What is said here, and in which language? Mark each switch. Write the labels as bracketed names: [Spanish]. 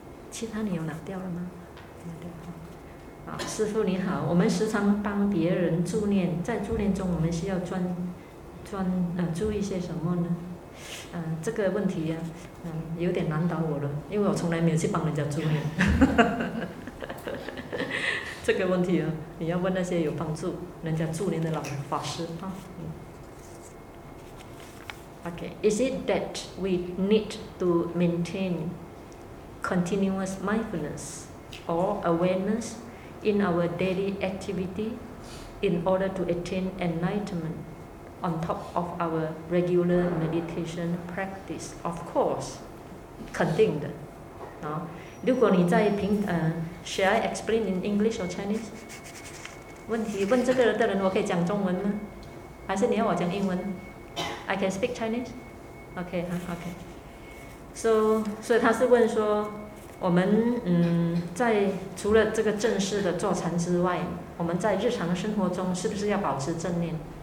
[Chinese] 其他你有拿掉了吗？啊，师父你好，我们时常帮别人助念，在助念中，我们需要注意些什么呢？这个问题呀，啊，有点难倒我了，因为我从来没有去帮人家助念。这个问题啊，你要问那些有帮助人家助念的老法师啊。 [English] Okay, is it that we need to maintain continuous mindfulness or awareness in our daily activity in order to attain enlightenment? On top of our regular meditation practice, of course, [Chinese] 肯定的。啊，如果你在平， [English] Should I explain in English or Chinese? [Chinese] 问题问这个的人，我可以讲中文吗？还是你要我讲英文 ？ [English] I can speak Chinese. Okay, okay. [Chinese] So 他是问说，我们在除了这个正式的坐禅之外，我们在日常生活中是不是要保持正念？